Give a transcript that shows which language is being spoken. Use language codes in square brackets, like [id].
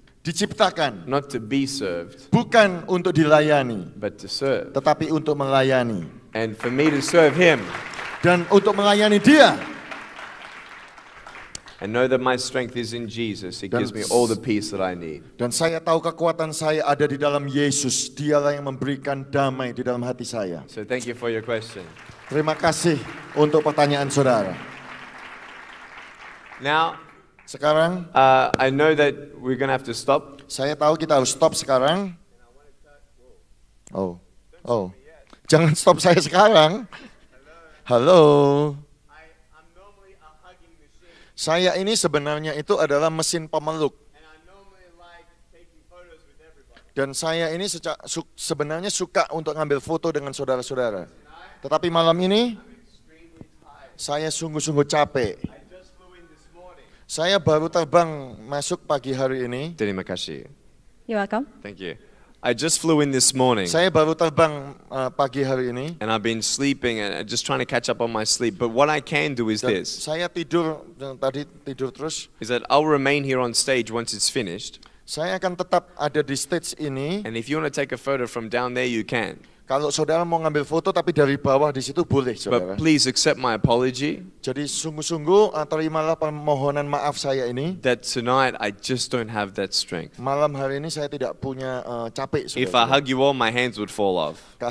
[id] Diciptakan. [en] Not to be served. [id] Bukan untuk dilayani. [en] But to serve. [id] Tetapi untuk melayani. [en] And for me to serve Him. [id] Dan untuk melayani Dia. [en] And know that my strength is in Jesus. He gives me all the peace that I need. [id] Dan saya tahu kekuatan saya ada di dalam Yesus. Dialah yang memberikan damai di dalam hati saya. [en] So thank you for your question. [id] Terima kasih untuk pertanyaan saudara. [en] Now, [id] sekarang, [en] I know that we're going to have to stop. [id] Saya tahu kita harus stop sekarang. Oh. Jangan stop saya sekarang. Halo. Saya ini sebenarnya itu adalah mesin pemeluk. Dan saya ini sebenarnya suka untuk ngambil foto dengan saudara-saudara. Tetapi malam ini, saya sungguh-sungguh capek. Saya baru terbang masuk pagi hari ini. Terima kasih. [en] You're welcome. Thank you. I just flew in this morning. [id] Saya baru terbang pagi hari ini. [en] And I've been sleeping and just trying to catch up on my sleep. But what I can do is this. [id] Saya tidur tadi tidur terus. [en] Is that I'll remain here on stage once it's finished. [id] Saya akan tetap ada di stage ini. [en] And if you want to take a photo from down there, you can. [id] Kalau saudara mau ngambil foto tapi dari bawah di situ boleh, saudara. [en] But please accept my apology. [id] Jadi sungguh-sungguh terimalah permohonan maaf saya ini. [en] That tonight I just don't have that strength. [id] Malam hari ini saya tidak punya capek, saudara. [en] If I hug you all, my hands would fall off.